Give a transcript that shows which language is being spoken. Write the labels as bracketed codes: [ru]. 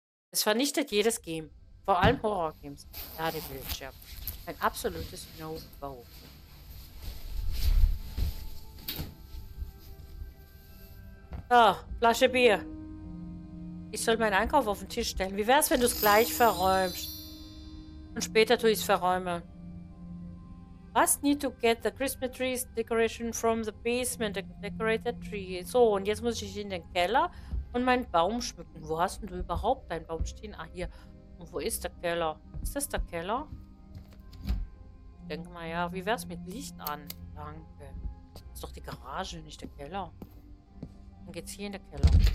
[de] Es vernichtet jedes Game, vor allem Horror-Games. Ladebildschirm. Ein absolutes No-Go. Ah, oh, Flasche Bier. Ich soll meinen Einkauf auf den Tisch stellen. Wie wäre es, wenn du es gleich verräumst? Und später tue ich es verräume. [en] Was need to get the Christmas trees decoration from the basement, the decorated tree. [de] So, und jetzt muss ich in den Keller und meinen Baum schmücken. Wo hast denn du überhaupt deinen Baum stehen? Ah, hier. Und wo ist der Keller? Ist das der Keller? Ich denke mal, ja. Wie wäre es mit Licht an? Danke. Ist doch die Garage, nicht der Keller. Dann geht's hier in den Keller.